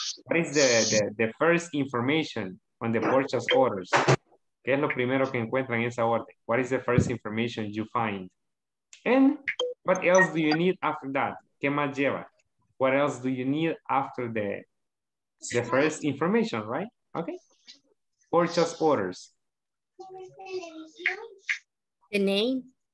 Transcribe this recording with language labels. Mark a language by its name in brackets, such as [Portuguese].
[English] What is the first information on the purchase orders? [Spanish] ¿Qué es lo primero que encuentran en esa orden? [English] What is the first information you find? And what else do you need after that? [Spanish] ¿Qué más lleva? [English] What else do you need after the first information, right? Okay. Purchase orders. The name.